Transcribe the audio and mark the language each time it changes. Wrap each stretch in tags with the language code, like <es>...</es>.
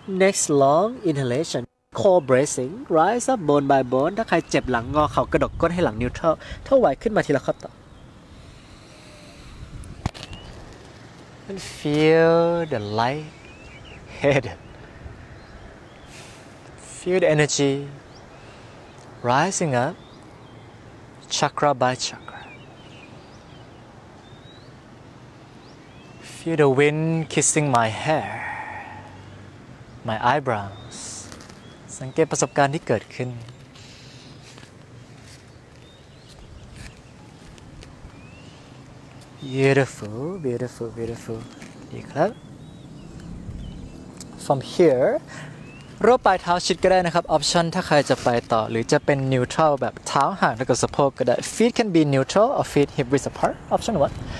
<en>Next long inhalation, core bracing, rise up bone by bone.</en> <th>ถ้าใครเจ็บหลังงอเข่ากระดกก้นให้หลังนิวเทิลถ้าไหวขึ้นมาทีละครับต่อ</th> <en>And feel the light head. Feel the energy rising up, chakra by chakra. Feel the wind kissing my hair, my eyebrows.</en> <th>สังเกตประสบการณ์ที่เกิดขึ้น</th> <en>Beautiful, beautiful, beautiful.</en> <th>ดีครับ</th> <en>From here,</en> <th>รวบปลายเท้าชิดก็ได้นะครับ Option ถ้าใครจะไปต่อหรือจะเป็น neutral แบบเท้าห่างแล้วก็สะโพกก็ได้</th> <en>Feet can be neutral or feet hip width apart. Option what?</en>